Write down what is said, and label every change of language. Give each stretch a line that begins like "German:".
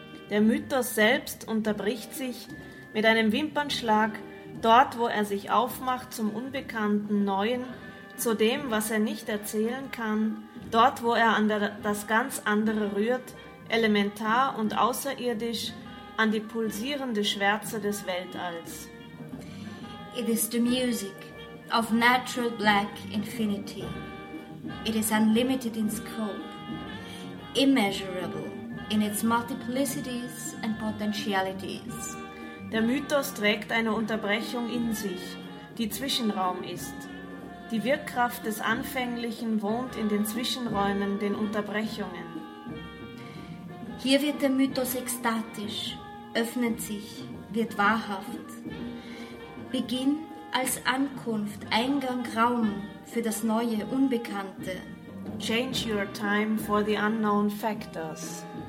German: Der Mythos selbst unterbricht sich mit einem Wimpernschlag dort, wo er sich aufmacht zum Unbekannten, Neuen, zu dem, was er nicht erzählen kann, dort, wo er an das ganz andere rührt, elementar und außerirdisch, an die pulsierende Schwärze des Weltalls.
English: It is the music of natural black infinity. It is unlimited in scope, immeasurable in its multiplicities and potentialities.
German: Der Mythos trägt eine Unterbrechung in sich, die Zwischenraum ist. Die Wirkkraft des Anfänglichen wohnt in den Zwischenräumen, den Unterbrechungen. Hier wird der Mythos ekstatisch, öffnet sich, wird wahrhaft. Beginn als Ankunft, Eingang, Raum für das neue, Unbekannte.
English: Change your time for the unknown factors.